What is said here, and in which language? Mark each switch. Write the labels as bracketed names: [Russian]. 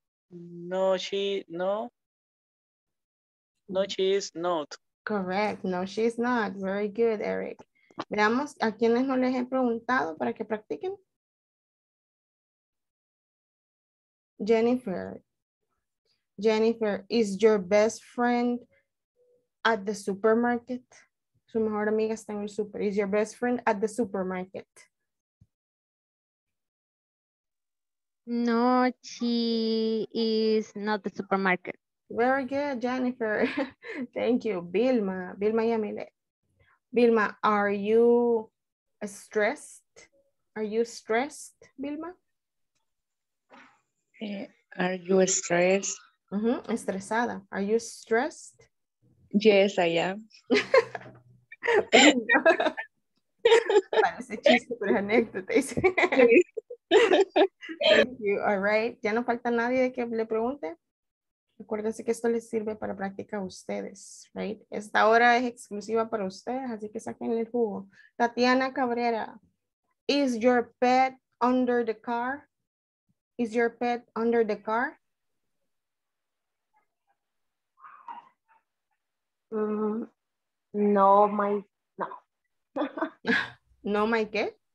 [English] No, she is not. Correct. No, she is not. Very good, Eric. [Spanish] Veamos a quienes no les he preguntado para que practiquen. Jennifer. [English] Jennifer, is your best friend at the supermarket? [Spanish] Su mejor amiga está en el super. [English] Is your best friend at the supermarket? No, she is not the supermarket. Very good, Jennifer. Thank you. Vilma. Vilma Yamile. Vilma, are you stressed? Are you stressed, Vilma? Are you stressed? Uh-huh. Estresada. Are you stressed? Yes, I am. [Spanish] Parece chiste, pero es anécdota. [English] Thank you. All right. [Spanish] Ya no falta nadie de que le pregunte. Acuérdense que esto les sirve para práctica a ustedes, right? Esta hora es exclusiva para ustedes, así que saquen el jugo. [English] Tatiana Cabrera, is your pet under the car? Is your pet under the car? No. No, my qué?